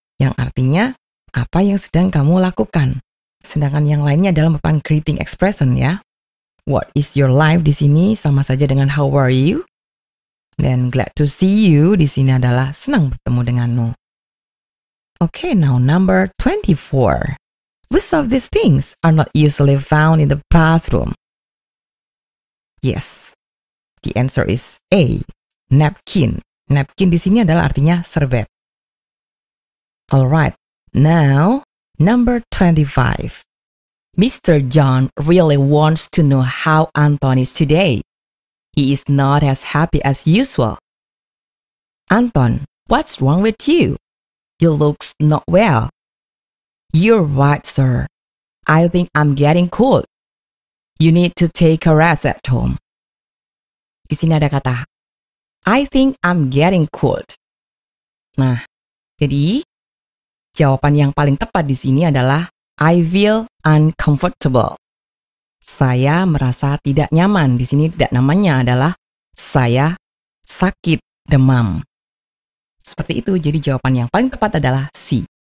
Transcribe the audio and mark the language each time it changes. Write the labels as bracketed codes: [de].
[id] Yang artinya, apa yang sedang kamu lakukan? Sedangkan yang lainnya adalah merupakan [en] greeting expression [id] ya. [en] What is your life [id] di sini sama saja dengan [en] how are you? Then glad to see you [id] di sini adalah senang bertemu denganmu. [en] Okay, now number 24. Which of these things are not usually found in the bathroom? Yes, the answer is A. Napkin. [id] Napkin di sini adalah artinya serbet. [en] Alright, now number 25. Mr. John really wants to know how Anton is today. He is not as happy as usual. Anton, what's wrong with you? You look not well. You're right, sir. I think I'm getting cold. You need to take a rest at home. [id] Di sini ada kata, [en] I think I'm getting cold. [id] Nah, jadi jawaban yang paling tepat di sini adalah [en] I feel uncomfortable. [id] Saya merasa tidak nyaman. Di sini tidak namanya adalah saya sakit demam. Seperti itu, jadi jawaban yang paling tepat adalah C.